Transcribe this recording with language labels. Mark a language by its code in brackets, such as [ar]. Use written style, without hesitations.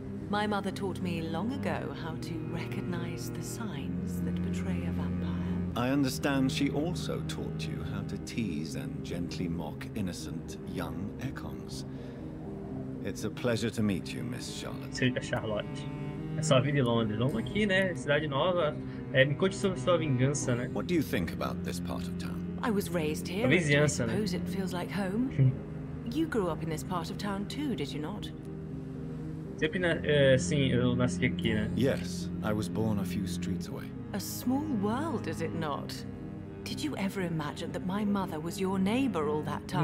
[en] My mother taught me long ago how to recognize the signs that betray a vampire. I understand she also taught you how to tease and gently mock innocent young Ekons. It's a pleasure to meet you, Miss Charlotte. [pt] Seja Charlotte. É só vir de Londres. Vamos aqui, né? Cidade nova. Me conte sobre sua vingança, né? [en] What do you think about this part of town? I was raised here. [pt] A vizinhança, né? [en] Suppose it feels like home. You grew up in this part of town too, did you not? [pt] Sempre, sim, eu nasci aqui, né? [en] Yes, I was born a few streets away. A small world, is it not? Did you ever imagine that my mother was your neighbor all that time?